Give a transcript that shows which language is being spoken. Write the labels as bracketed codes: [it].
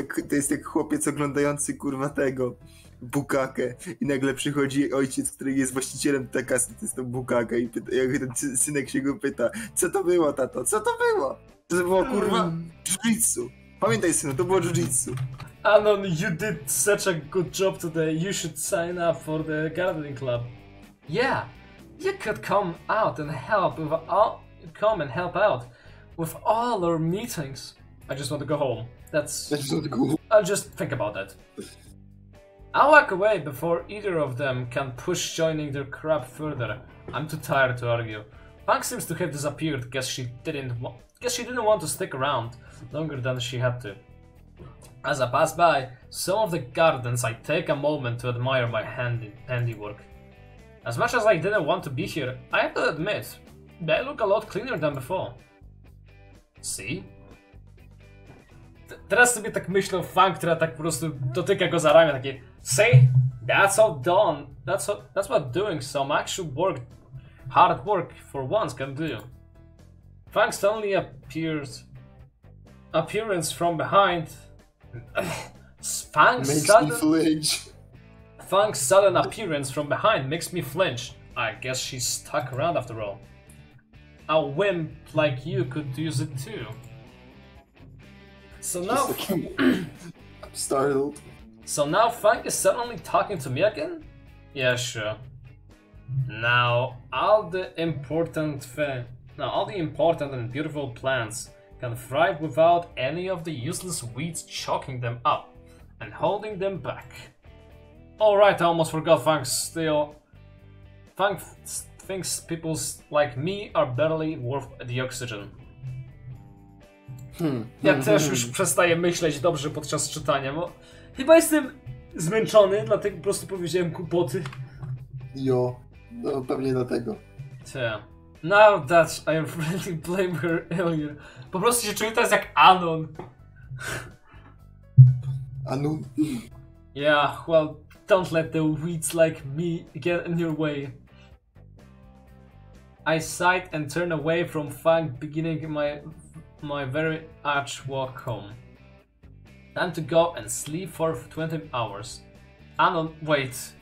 [pl] To jest jak chłopiec oglądający kurwa tego bukakę i nagle przychodzi ojciec, który jest właścicielem tej kasy, to jest to bukakę i pyta, jak ten synek się go pyta, co to było tato, co to było? To było kurwa jiu-jitsu. Pamiętaj synu, to było jiu-jitsu. [en] Anon, you did such a good job today, you should sign up for the gardening club. Yeah, you could come out and help with all, come and help out with all our meetings. I just want to go home. That's not cool. I'll just think about that. I'll walk away before either of them can push joining their crap further. I'm too tired to argue. Punk seems to have disappeared. Guess she didn't want to stick around longer than she had to. As I pass by some of the gardens, I take a moment to admire my handiwork. As much as I didn't want to be here, I have to admit, they look a lot cleaner than before. See? [pl] Teraz sobie tak myślę o Funk, która tak po prostu dotyka go za ramię, takie [en] see? That's all done. That's what doing some actual work, hard work for once can do. Funk suddenly appearance from behind. Funk makes sudden, me flinch. Funk's sudden appearance from behind makes me flinch. I guess she's stuck around after all. A wimp like you could use it too. So now, I'm startled. So now Funk is suddenly talking to me again? Yeah, sure. Now all the important and beautiful plants can thrive without any of the useless weeds choking them up and holding them back. Alright, I almost forgot Funk's still. Funk thinks people like me are barely worth the oxygen. [pl] Ja też już przestaję myśleć dobrze podczas czytania, bo chyba jestem zmęczony, dlatego po prostu powiedziałem kłopoty. Jo, no pewnie dlatego. [en] Now that I really blame her earlier. [pl] Po prostu się czuję teraz jak Anon. [en] Anon? Yeah, well, don't let the weeds like me get in your way. I sigh and turn away from Funk, beginning my very arch walk home. Time to go and sleep for 20 hours. Anon, wait.